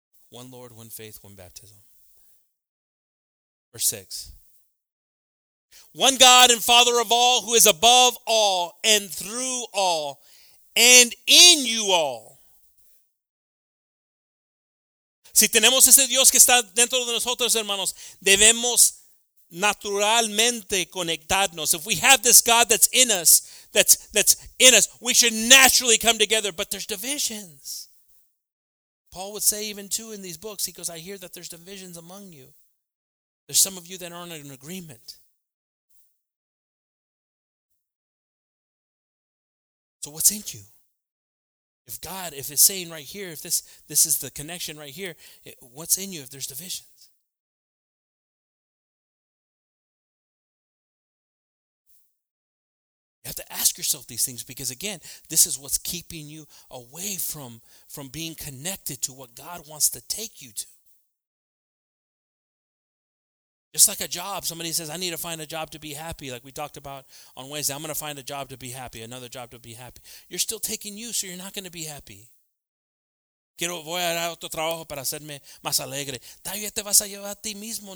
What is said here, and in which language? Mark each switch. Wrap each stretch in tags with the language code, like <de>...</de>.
<en>One Lord, one faith, one baptism. Verse 6. One God and Father of all, who is above all and through all and in you all.</en> <es>Si tenemos ese Dios que está dentro de nosotros, hermanos, debemos naturalmente conectarnos.</es> <en>If we have this God that's in us, we should naturally come together. But there's divisions. Paul would say even too in these books, he goes, I hear that there's divisions among you. There's some of you that aren't in agreement. So what's in you? If God, if it's saying right here, if this is the connection right here, what's in you if there's divisions? You have to ask yourself these things because, again, this is what's keeping you away from being connected to what God wants to take you to. Just like a job, somebody says, I need to find a job to be happy. Like we talked about on Wednesday, I'm going to find a job to be happy, another job to be happy. You're still taking you, so you're not going to be happy.</en> <es>Quiero voy a dar otro trabajo para hacerme más alegre. Todavía te vas a llevar a ti mismo.</es>